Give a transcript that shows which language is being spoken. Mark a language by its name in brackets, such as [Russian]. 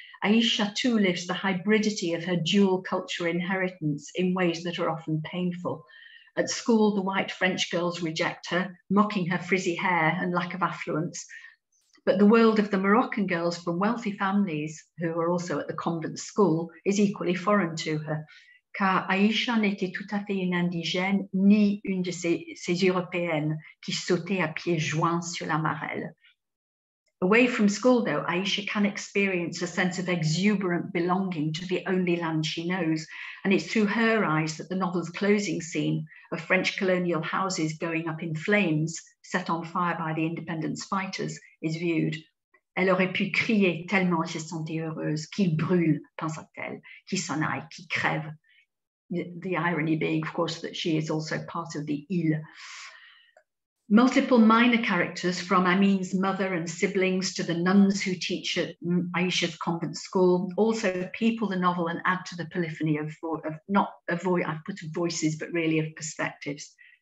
[English] Aisha too lives the hybridity of her dual culture inheritance in ways that are often painful. At school, the white French girls reject her, mocking her frizzy hair and lack of affluence. But the world of the Moroccan girls from wealthy families, who are also at the convent school, is equally foreign to her. [French] Car Aisha n'était tout à fait une indigène, ni une de ces européennes qui sautaient à pieds joints sur la marelle. [English] Away from school, though, Aisha can experience a sense of exuberant belonging to the only land she knows. And it's through her eyes that the novel's closing scene of French colonial houses going up in flames, set on fire by the independence fighters, is viewed. [French] Elle aurait pu crier tellement je sentais heureuse, qu'il brûle, pensa-t-elle, qu'il s'en aille, qu'il crève. [English] The irony being, of course, that she is also part of the île. Multiple minor characters, from Amin's mother and siblings to the nuns who teach at Aisha's convent school, also people the novel and add to the polyphony of perspectives.